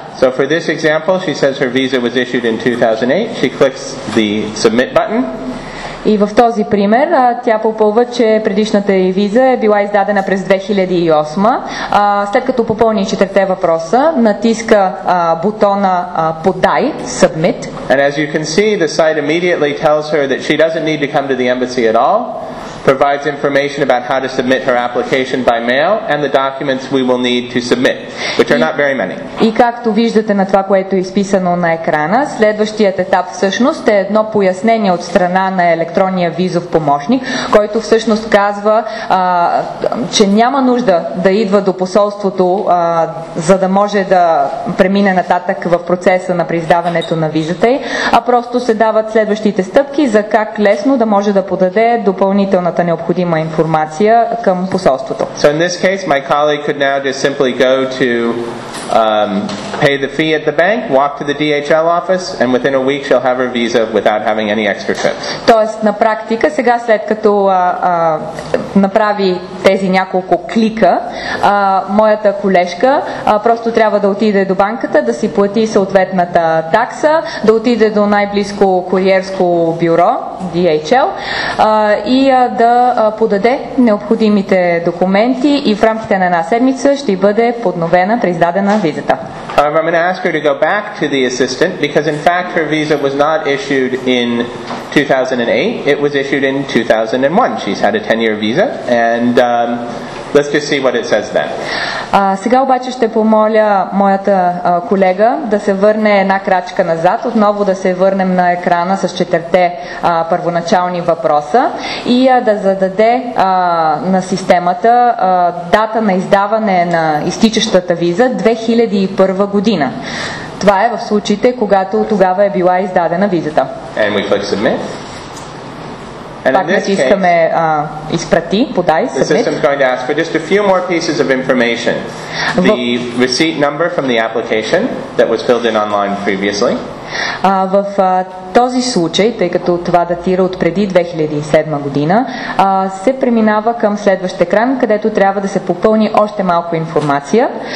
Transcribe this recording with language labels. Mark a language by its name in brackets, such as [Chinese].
[English] So for this example, she says her visa was issued in 2008. She clicks the submit button. [Bulgarian] И в този пример тя попълва, че предишната ѝ виза е била издадена през 2008. След като попълни четирите въпроса, натиска бутона подай, submit. [English] And as you can see, the site immediately tells her that she doesn't need to come to the embassy at all. Provides information about how to submit her application by mail and the documents we will need to submit, which are not very many. [Bulgarian] И както виждате на това, което е изписано на екрана, следващият етап всъщност е едно пояснение от страна на електронния визов помощник, който всъщност казва, че няма нужда да идва до посолството, за да може да премине нататък в процеса на преиздаването на визата, а просто се дават следващите стъпки за как лесно да може да подаде допълнителна необходима информация към посолството. [English] So in this case, my colleague could now just simply go to pay the fee at the bank, walk to the DHL office, and within a week she'll have her visa without having any extra trips. [Bulgarian] Тоест, на практика, сега след като направи тези няколко клика, моята колежка просто трябва да отиде до банката, да си плати съответната такса, да отиде до най-близко куриерско бюро, DHL, и да подаде необходимите документи и в рамките на една седмица ще бъде подновена, преиздадена визата. [English] However, I'm going to ask her to go back to the assistant because, in fact, her visa was not issued in 2008. It was issued in 2001. She's had a 10-year visa, and let's just see what it says then. [Bulgarian] Сега обаче ще помоля моята колега да се върне една крачка назад, отново да се върнем на екрана с четирите първоначални въпроса и да зададе на системата дата на издаване на изтичащата виза 2001 година. Това е в случаите, когато тогава е била издадена визата. [English] And we click submit. [Bulgarian] And пак натискаме изпрати, подай, [English] submit. The system is going to ask for just a few more pieces of information. The receipt number from the application that was filled in online previously. [Bulgarian] В този случай, тъй като това датира от преди 2007 година, се преминава към следващ екран, където трябва да се попълни още малко информация.